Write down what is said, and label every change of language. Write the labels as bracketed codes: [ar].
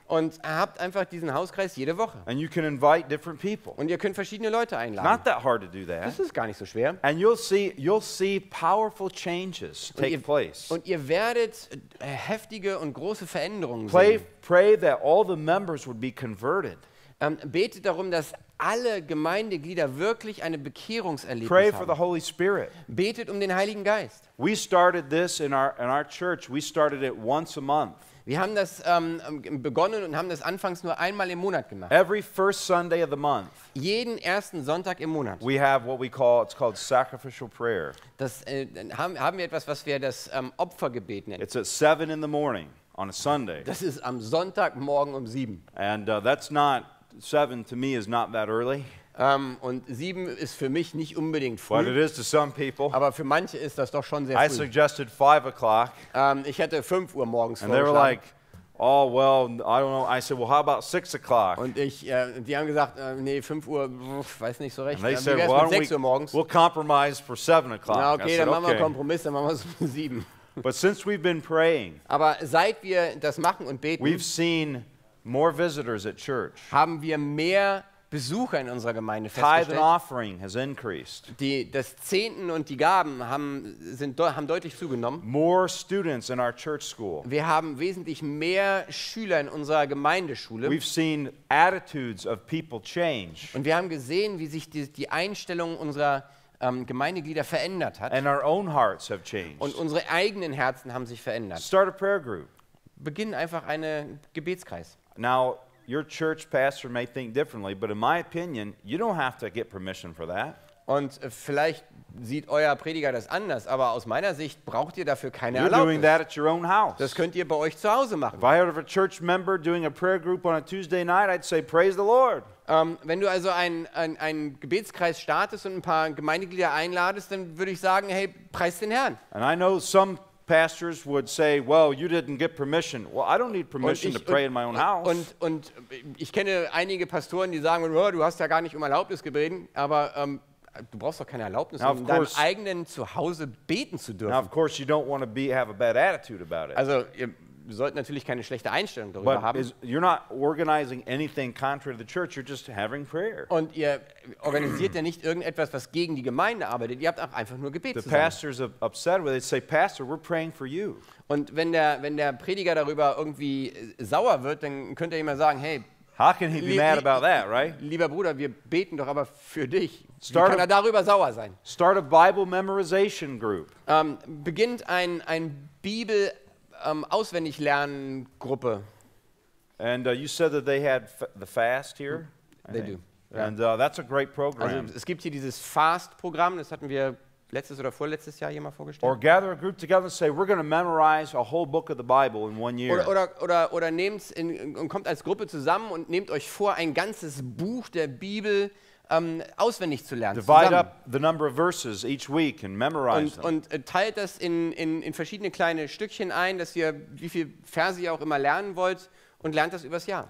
[de] Und habt einfach diesen Hauskreis jede Woche. [en] And you can invite different people. [de] Und ihr könnt verschiedene Leute einladen. [en] Not that hard to do that. [de] Das ist gar nicht so schwer. [en] And you'll see powerful changes take place. [de] Und ihr werdet heftige und große Veränderungen sehen. [en] Pray that all the members would be converted. [de] Betet darum, dass alle Gemeindeglieder wirklich eine Bekehrungserlebnis [en] Pray [de] haben. [en] For the Holy Spirit. [de] Betet um den Heiligen Geist. [en] We started this in our church. We started it once a month. [de] Wir haben das begonnen und haben das anfangs nur einmal im Monat gemacht. [en] Every first Sunday of the month. [de] Jeden ersten Sonntag im Monat. [en] We have what we call it's called sacrificial prayer. [de] Das haben wir etwas, was wir das Opfergebet nennen. [en] It's at 7 in the morning on a Sunday. [de] Das ist am Sonntagmorgen 7. [en] And that's not 7 to me is not that early. [de] Und 7 ist für mich nicht unbedingt früh. [en] But it is to some people. [de] Aber für manche ist das doch schon sehr früh. [en] I suggested 5 o'clock. [de] Ich hätte 5 Uhr morgens [en] And they were like, oh, well, I don't know. I said, well, how about 6 o'clock? [de] Und ich, die haben gesagt, nee, 5 Uhr, weiß nicht so recht. [en] And they said, well, [de] 6 Uhr morgens? [en] We'll compromise for 7 o'clock. [de] Na, okay, said, dann machen wir Kompromiss, dann machen wir es um 7. [en] But since we've been praying, [de] aber seit wir das machen und beten, [en] we've seen more visitors at church. [de] Haben wir mehr Besucher in unserer Gemeinde festgestellt. [en] Tithe and offering has increased. [de] Das Zehnten und die Gaben haben deutlich zugenommen. [en] More students in our church school. [de] Wir haben wesentlich mehr Schüler in unserer Gemeindeschule. [en] We've seen attitudes of people change. [de] Und wir haben gesehen, wie sich die Einstellung unserer Gemeindeglieder verändert hat. [en] And our own hearts have changed. [de] Und unsere eigenen Herzen haben sich verändert. [en] Start a prayer group. [de] beginn einfach einen Gebetskreis. [en] Now, your church pastor may think differently, but in my opinion, you don't have to get permission for that. [de] Und vielleicht sieht euer Prediger das anders, aber aus meiner Sicht braucht ihr dafür keine [en] You're [de] Erlaubnis. [en] Doing that at your own house. [de] Das könnt ihr bei euch zu Hause machen. [en] If I heard of a church member doing a prayer group on a Tuesday night, I'd say praise the Lord. [de] Wenn du also einen Gebetskreis startest und ein paar Gemeindeglieder einladest, dann würde ich sagen, hey, preis den Herrn. [en] And I know some pastors would say, well, you didn't get permission. Well, I don't need permission to pray in my own house. [de] Und ich kenne einige Pastoren, die sagen, oh, du hast ja gar nicht um Erlaubnis gebeten, aber du brauchst doch keine Erlaubnis, um in deinem eigenen Zuhause beten zu dürfen. [en] Now, of course, you don't want to have a bad attitude about it. [de] Also, ihr solltet natürlich keine schlechte Einstellung darüber haben. [en] But you're not organizing anything contrary to the church, you're just having prayer. [de] Und ihr organisiert ja nicht irgendetwas, was gegen die Gemeinde arbeitet, ihr habt auch einfach nur Gebet zusammen. [en] The pastors are upset with it. They say, Pastor, we're praying for you. [de] Und wenn der Prediger darüber irgendwie sauer wird, dann könnt ihr ihm mal sagen, hey, [en] how can he be mad about that, right? [de] Lieber Bruder, wir beten doch aber für dich. Wie kann er darüber sauer sein? [en] Start a Bible memorization group. [de] Beginnt ein Bibel auswendig lernen Gruppe. [en] And you said that they had the fast here. They do. And that's a great program. [de] Also, es gibt hier dieses Fast-Programm. Das hatten wir letztes oder vorletztes Jahr hier mal vorgestellt. [en] Or gather a group together and say, we're going to memorize a whole book of the Bible in one year. [de] Oder nehmt und kommt als Gruppe zusammen und nehmt euch vor, ein ganzes Buch der Bibel auswendig zu lernen. [en] Divide [de] zusammen. [en] Up the number of verses each week and memorize them. [de] Und teilt das in verschiedene kleine Stückchen ein, dass ihr wie viele Verse ihr auch immer lernen wollt und lernt das übers Jahr.